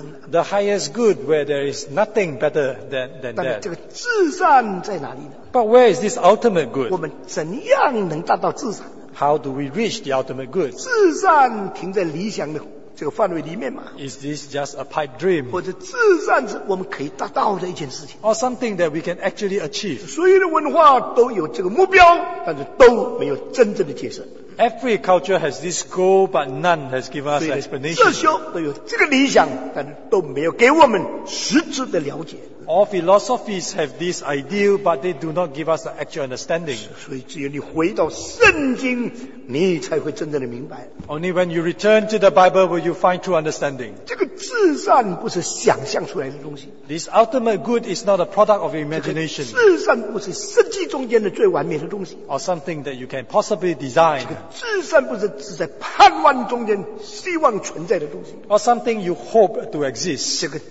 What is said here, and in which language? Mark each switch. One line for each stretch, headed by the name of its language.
English: the highest good where there is nothing better than that.
Chinese: 但这个至善在哪里呢?
English: But where is this ultimate good?
Chinese: 我们怎样能达到至善?
English: How do we reach the ultimate good?
Chinese: 至善停在理想的 这个范围里面嘛,
English: is this just a pipe dream?
Chinese: 或者至善是我们可以达到的一件事情,
English: or something that we can actually achieve?
Chinese: 所有的文化都有这个目标, 但是都没有真正的解释。
English: Every culture has this goal, but none has given us explanation.
Chinese: 所以这些都有这个理想, 但是都没有给我们实质的了解。
English: All philosophies have this ideal, but they do not give us the actual understanding.
Chinese: 所以只有你回到圣经, 你才会真正的明白。
English: Only when you return to the Bible will you find true understanding.
Chinese: 这个至善不是想象出来的东西。
English: This ultimate good is not a product of your imagination.
Chinese: 这个至善不是设计中间的最完美的东西。
English: Or something that you can possibly design.
Chinese: 这个至善不是只在盼望中间希望存在的东西。
English: Or something you hope to exist.